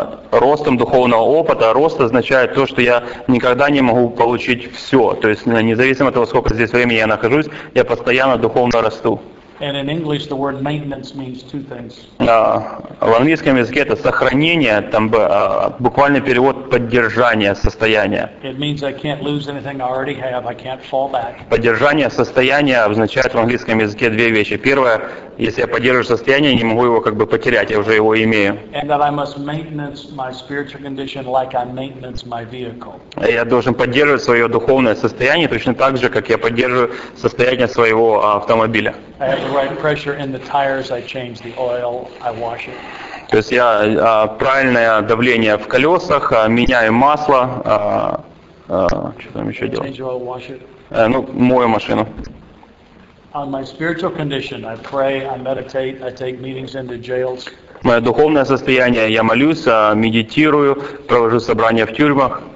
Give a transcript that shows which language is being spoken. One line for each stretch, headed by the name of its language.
Russian: Ростом духовного опыта. Рост означает то, что я никогда не могу получить все. То есть, независимо от того, сколько здесь времени я нахожусь, я постоянно духовно расту.
English: And in English, the word maintenance means two things.
Russian: В английском языке это сохранение, там буквальный перевод поддержание состояния.
English: It means I can't lose anything I already have, I can't fall back.
Russian: Поддержание состояния означает в английском языке две вещи. Первое, если я поддерживаю состояние, не могу его как бы потерять, я уже его имею.
English: And that I must maintenance my spiritual condition like I maintenance my vehicle.
Russian: Я должен поддерживать свое духовное состояние точно так же, как я поддерживаю состояние своего автомобиля.
English: I have the right pressure in the tires, I change the oil, I wash it.
Russian: То есть я правильное давление в колесах, меняю масло, что там еще делать?
English: Change the oil, wash it.
Russian: Мою машину.
English: On my spiritual condition, I pray, I meditate, I take meetings into jails.
Russian: Мое духовное состояние, я молюсь, медитирую, провожу собрания в тюрьмах.